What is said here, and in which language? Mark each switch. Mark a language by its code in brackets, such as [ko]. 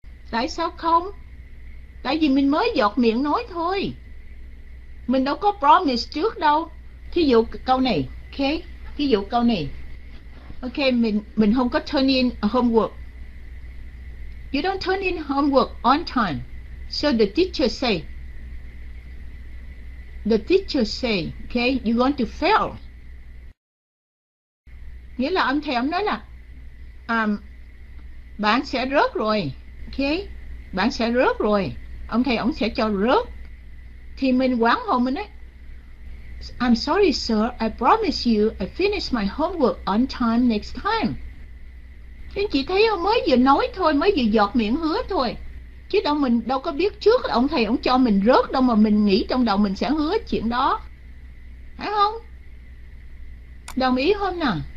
[vi] Tại sao không? Tại vì mình mới giọt miệng nói thôi. Mình đâu có promise trước đâu. Thí dụ câu này, okay? Thí dụ câu này. Okay, mình không có turn in homework. [en] You don't turn in homework on time. So the teacher say, okay, you're going to fail. [vi] Nghĩa là ông thầy ông nói là bạn sẽ rớt rồi, okay? Bạn sẽ rớt rồi. Ông thầy ông sẽ cho rớt. Thì mình quán hồn mình ấy. [en] I'm sorry sir, I promise you I finish my homework on time next time. [vi] Anh chị thấy không? Mới vừa nói thôi, mới vừa giọt miệng hứa thôi. Chứ đâu mình đâu có biết trước ông thầy ông cho mình rớt đâu mà mình nghĩ trong đầu mình sẽ hứa chuyện đó. Phải không? Đồng ý không nào?